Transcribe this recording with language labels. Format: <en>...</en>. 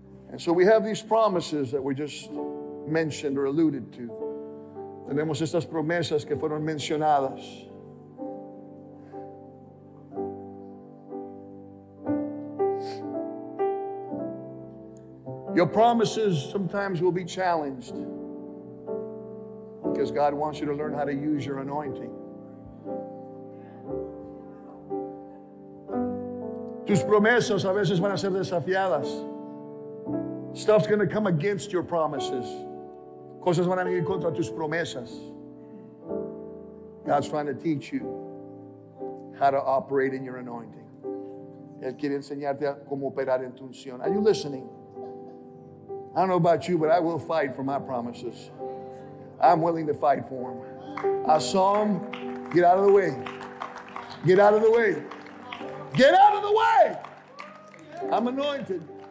<en>And so we have these promises that were just mentioned or alluded to.</en> <es>Tenemos estas promesas que fueron mencionadas.</es> <en>Your promises sometimes will be challenged because God wants you to learn how to use your anointing.</en> <es>Tus promesas a veces van a ser desafiadas.</es> <en>Stuff's going to come against your promises.</en> <es>Cosas van a venir contra tus promesas.</es> <en>God's trying to teach you how to operate in your anointing.</en> <es>Él quiere enseñarte a cómo operar en tu unción.</es> <en>Are you listening? I don't know about you, but I will fight for my promises. I'm willing to fight for them. I saw them. Get out of the way. Get out of the way. Get out of the way. I'm anointed.</en>